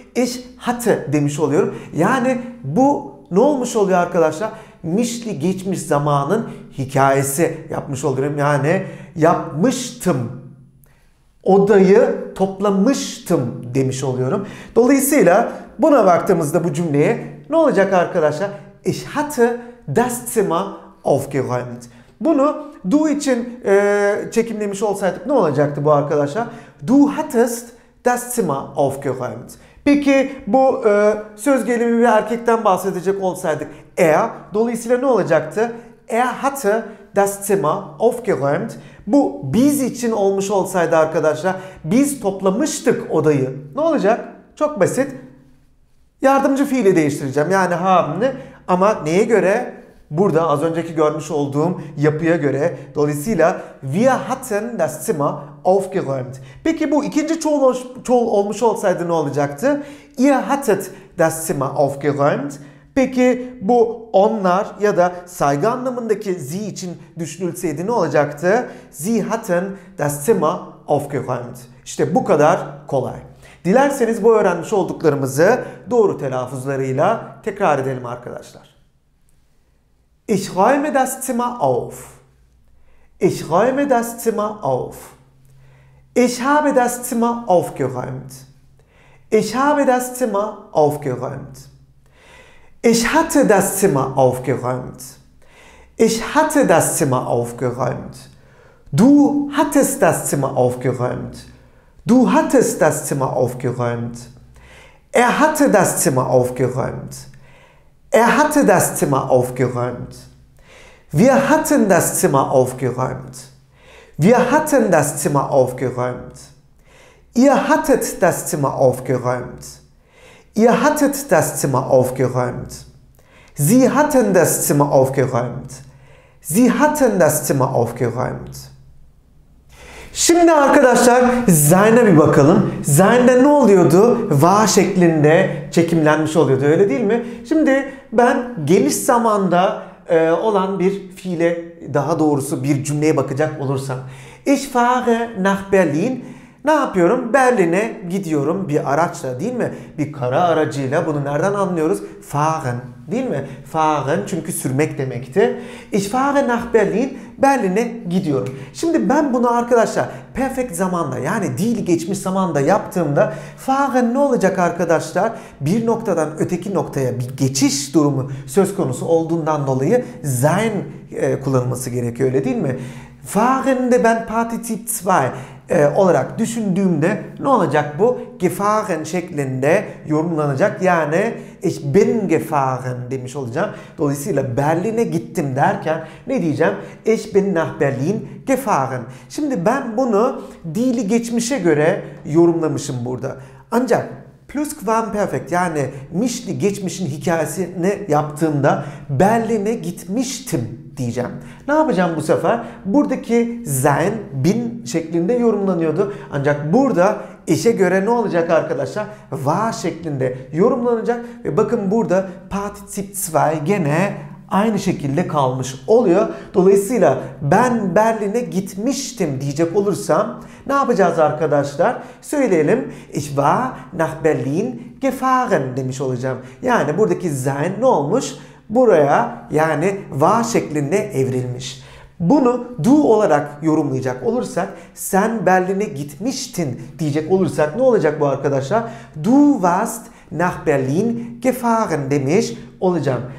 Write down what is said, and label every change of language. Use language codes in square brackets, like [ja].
[tr] Ich hatte demiş oluyorum. Yani bu ne olmuş oluyor arkadaşlar? Mişli geçmiş zamanın hikayesi yapmış oluyorum. Yani yapmıştım. Odayı toplamıştım demiş oluyorum. Dolayısıyla buna baktığımızda bu cümleye ne olacak arkadaşlar? [de] Ich hatte das Zimmer aufgeräumt. [tr] Bunu du için çekimlemiş olsaydık ne olacaktı bu arkadaşlar? [de] Du hattest das Zimmer aufgeräumt. [tr] Peki bu söz gelimi bir erkekten bahsedecek olsaydık er, dolayısıyla ne olacaktı? [de] Er hatte das Zimmer aufgeräumt. [tr] Bu biz için olmuş olsaydı arkadaşlar, biz toplamıştık odayı. Ne olacak? Çok basit. Yardımcı fiili değiştireceğim. Yani hamle. Ama neye göre? Burada az önceki görmüş olduğum yapıya göre. [de] Dolayısıyla wir hatten das Zimmer aufgeräumt. [tr] Peki bu ikinci çoğul olmuş olsaydı ne olacaktı? [de] Ihr hattet das Zimmer aufgeräumt. [tr] Peki bu onlar ya da saygı anlamındaki sie için düşünülseydi ne olacaktı? [de] Sie hatten das Zimmer aufgeräumt. [tr] İşte bu kadar kolay. Dilerseniz bu öğrenmiş olduklarımızı doğru telaffuzlarıyla tekrar edelim arkadaşlar. [de] Ich räume das Zimmer auf. Ich räume das Zimmer auf. Ich habe das Zimmer aufgeräumt. Ich habe das Zimmer aufgeräumt. Ich hatte das Zimmer aufgeräumt. Ich hatte das Zimmer aufgeräumt. Du hattest das Zimmer aufgeräumt. Du hattest das Zimmer aufgeräumt. Er hatte das Zimmer aufgeräumt. Er hatte das Zimmer aufgeräumt. Wir hatten das Zimmer aufgeräumt. Wir hatten das Zimmer aufgeräumt. Ihr hattet das Zimmer aufgeräumt. Ihr hattet das Zimmer aufgeräumt. Sie hatten das Zimmer aufgeräumt. Sie hatten das Zimmer aufgeräumt. [tr] Şimdi arkadaşlar sein'e bir bakalım. Sein'de ne oluyordu? War şeklinde çekimlenmiş oluyordu, öyle değil mi? Şimdi ben geniş zamanda olan bir fiile, daha doğrusu bir cümleye bakacak olursam. [de] Ich fahre nach Berlin. [tr] Ne yapıyorum? Berlin'e gidiyorum bir araçla, değil mi? Bir kara aracıyla. Bunu nereden anlıyoruz? Fahren, değil mi? [de] Fahren [tr] çünkü sürmek demekti. [de] Ich fahre nach Berlin. [tr] Berlin'e gidiyorum. Şimdi ben bunu arkadaşlar perfect zamanda, yani değil geçmiş zamanda yaptığımda fahren ne olacak arkadaşlar? Bir noktadan öteki noktaya bir geçiş durumu söz konusu olduğundan dolayı sein kullanılması gerekiyor, öyle değil mi? Fahren'de ben partizip 2 olarak düşündüğümde ne olacak bu? Gefahren şeklinde yorumlanacak. Yani [de] ich bin gefahren [tr] demiş olacağım. Dolayısıyla Berlin'e gittim derken ne diyeceğim? [de] Ich bin nach Berlin gefahren. [tr] Şimdi ben bunu dili geçmişe göre yorumlamışım burada. Ancak plusquamperfekt, yani mişli geçmişin hikayesini yaptığımda Berlin'e gitmiştim diyeceğim. Ne yapacağım bu sefer? Buradaki sein bin şeklinde yorumlanıyordu. Ancak burada işe göre ne olacak arkadaşlar? War şeklinde yorumlanacak. Ve bakın burada partizip 2 gene aynı şekilde kalmış oluyor. Dolayısıyla ben Berlin'e gitmiştim diyecek olursam ne yapacağız arkadaşlar? Söyleyelim. [de] Ich war nach Berlin gefahren [tr] demiş olacağım. Yani buradaki sein ne olmuş? Buraya, yani war şeklinde evrilmiş. Bunu du olarak yorumlayacak olursak, sen Berlin'e gitmiştin diyecek olursak ne olacak bu arkadaşlar? [de] Du warst nach Berlin gefahren [tr] demiş olacağım.